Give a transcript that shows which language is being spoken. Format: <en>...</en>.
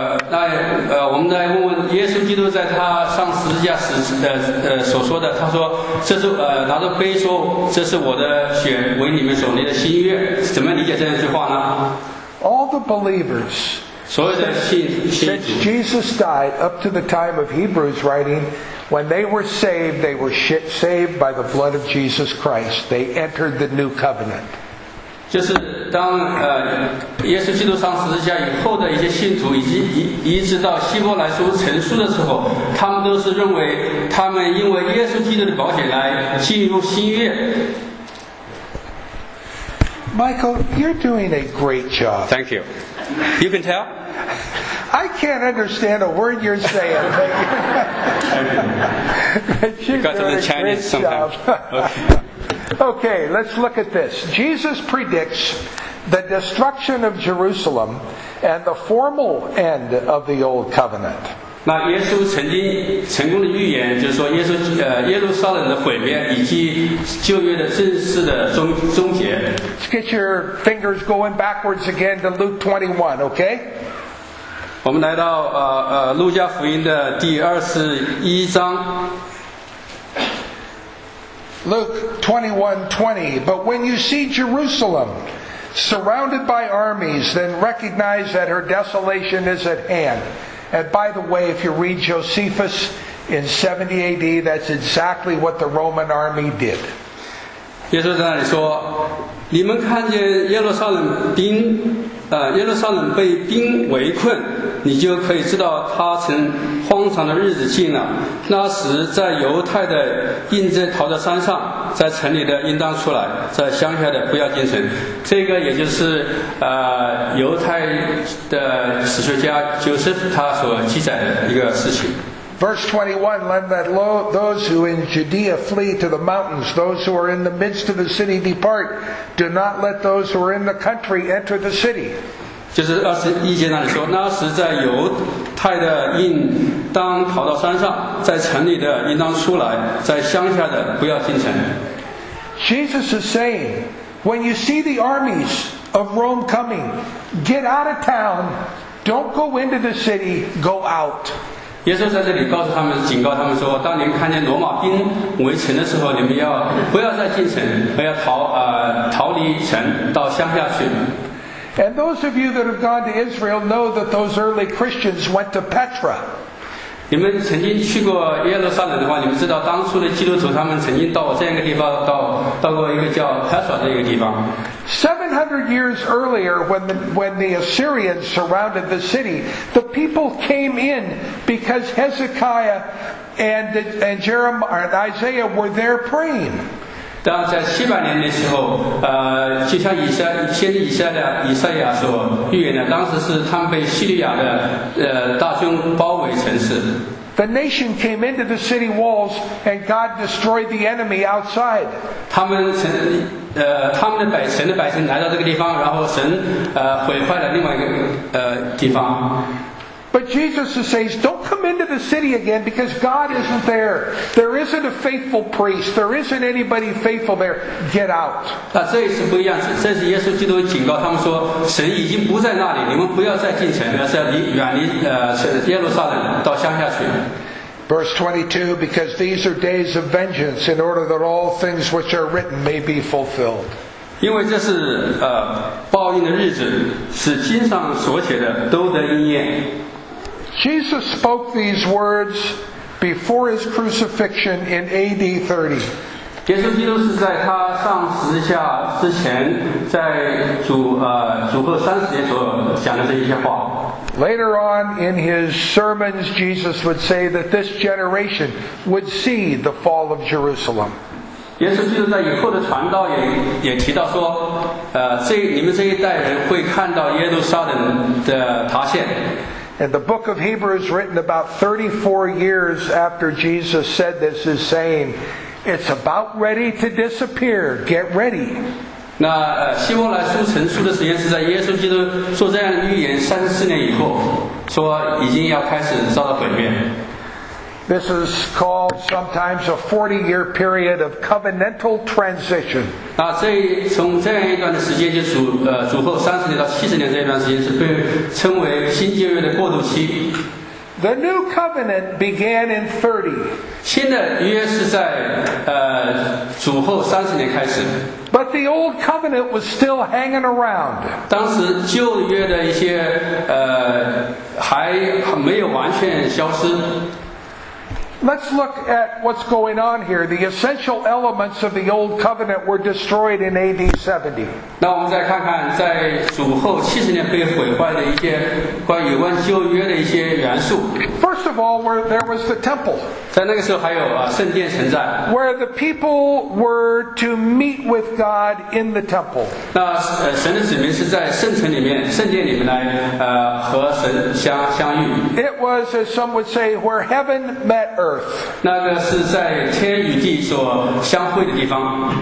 <zh>那我们再问问耶稣基督在他上十字架时所说的，他说这是拿着杯说这是我的血为你们所立的新约，怎么理解这句话呢？</zh> <en>All the believers</en> <zh>所有的信徒</zh> <en>since Jesus died up to the time of Hebrews writing, when they were saved by the blood of Jesus Christ. They entered the new covenant.</en> <zh>就是当耶稣基督上十字架以后的一些信徒一直到希伯来书成书的时候，他们都是认为他们因为耶稣基督的保险来进入新约。</zh> <en>Michael, you're doing a great job. Thank you. You can tell? I can't understand a word you're saying. You've got to learn Chinese sometimes. Okay, let's look at this. Jesus predicts the destruction of Jerusalem and the formal end of the Old Covenant.</en> <zh>那耶稣曾经成功的预言就是说耶稣耶路撒冷的毁灭以及旧约的正式的终结。</zh> <en>Get your fingers going backwards again to Luke 21, okay?</en> <zh>我们来到路加福音的第21章。</zh> <en>Luke 21:20. But when you see Jerusalem surrounded by armies, then recognize that her desolation is at hand. And by the way, if you read Josephus in 70 AD, that's exactly what the Roman army did.</en> <zh>耶稣在那里说，你们看见耶路撒冷兵，耶路撒冷被兵围困，你就可以知道他曾荒唐的日子近了。那时在犹太的应征逃在山上，在城里的应当出来，在乡下的不要进城。这个也就是犹太的史学家 Joseph 他所记载的一个事情。</zh> <en>Verse 21, let that those who in Judea flee to the mountains, those who are in the midst of the city depart. Do not let those who are in the country enter the city.</en> <zh>就是二十一节那里说，那时在犹太的应当逃到山上，在城里的应当出来，在乡下的不要进城。</zh> <en>Jesus is saying, when you see the armies of Rome coming, get out of town. Don't go into the city. Go out.</en> <zh>耶稣在这里告诉他们，警告他们说，当你们看见罗马兵围城的时候，你们要不要再进城，而要逃离城，到乡下去。</zh> <en>And those of you that have gone to Israel know that those early Christians went to Petra.</en> <zh>你们曾经去过耶路撒冷的话，你们知道当初的基督徒他们曾经到这样一个地方，到过一个叫 Petra 的一个地方。</zh> <en>700 years earlier, when the Assyrians surrounded the city, the people came in because Hezekiah and Jeremiah and Isaiah were there praying.</en> <zh>当在700年的时候，就像以赛亚所预言的，当时是他们被叙利亚的大军包围城市。</zh> <en>The nation came into the city walls, and God destroyed the enemy outside.</en> <zh>他们的百姓来到这个地方，然后神毁坏了另外一个地方。</zh> <en>But Jesus says, "Don't come into the city again, because God isn't there. There isn't a faithful priest. There isn't anybody faithful there. Get out."</en> <zh>那这一次不一样，这是耶稣基督警告他们说，神已经不在那里，你们不要再进城，而是要远离耶路撒冷，到乡下去。</zh> <en>Verse 22, because these are days of vengeance, in order that all things which are written may be fulfilled.</en> <zh>因为这是报应的日子，使经上所写的都得应验。</zh> <en>Jesus spoke these words before his crucifixion in AD 30.</en> <zh>耶稣基督是在他上十字架之前，在主后三十年所讲的这一些话。</zh> <en>Later on in his sermons, Jesus would say that this generation would see the fall of Jerusalem.</en> <zh>耶稣基督在以后的传道也提到说，你们这一代人会看到耶路撒冷的塌陷。</zh> <en>And the book of Hebrews, written about 34 years after Jesus said this, is saying, "It's about ready to disappear. Get ready."</en> <zh>那希伯来书成书的时间是在耶稣基督做这样的预言34年以后，说已经要开始遭到毁灭。</zh> <en>This is called sometimes a 40-year period of covenantal transition.</en> <zh>那从这样一段的时间，就主后30年到70年这一段时间，是被称为新旧约的过渡期。</zh> <en>The new covenant began in 30.</en> <zh>新的约是在主后30年开始。</zh> <en>But the old covenant was still hanging around.</en> <zh>当时旧约的一些还没有完全消失。</zh> <en>Let's look at what's going on here. The essential elements of the old covenant were destroyed in AD 70.</en> <zh>那我们再看看，在主后70年被毁坏的一些关于旧约的一些元素。</zh> <en>First of all, there was the temple.</en> <zh>在那个时候还有圣殿存在。</zh> <en>Where the people were to meet with God in the temple.</en> <zh>那神的子民是在圣城里面、圣殿里面来和神相遇。</zh> <en>It was, as some would say, where heaven met.</en> <zh>那个是在天与地所相会的地方。</zh>